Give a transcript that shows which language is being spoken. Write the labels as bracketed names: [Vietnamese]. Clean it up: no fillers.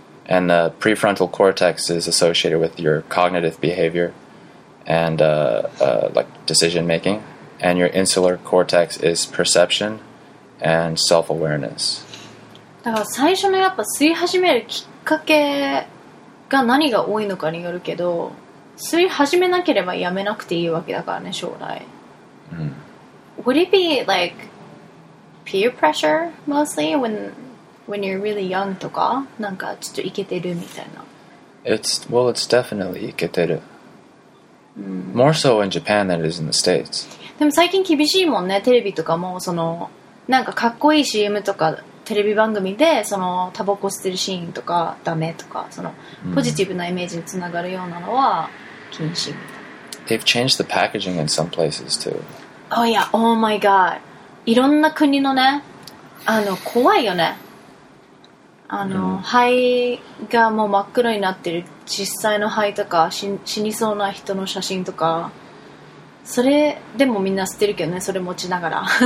[English] And the prefrontal cortex is associated with your cognitive behavior and like decision-making. And your insular cortex is perception and self-awareness. [Japanese] が何が多いのかによるけど、吸い始めなければやめなくていいわけだからね、将来。 Mm-hmm. [English] Would it be like peer pressure mostly when you're really young とか、 [Japanese] なんかちょっとイケてるみたいな。 [English] It's definitely イケてる。 More so in Japan than it is in the States. [Japanese] でも最近厳しいもんね、テレビとかもそのなんかかっこいい CM とか。テレビ番組でそのタバコ吸ってるシーンとかダメとかそのポジティブなイメージにつながるようなのは禁止みたいな。 [English] They've changed the packaging in some places too. Oh yeah, oh my god. [Japanese] いろんな国のね、あの怖いよね。あの、肺がもう真っ黒になってる実際の肺とか死にそうな人の写真とか。それでもみんな吸ってるけどね、それ持ちながら。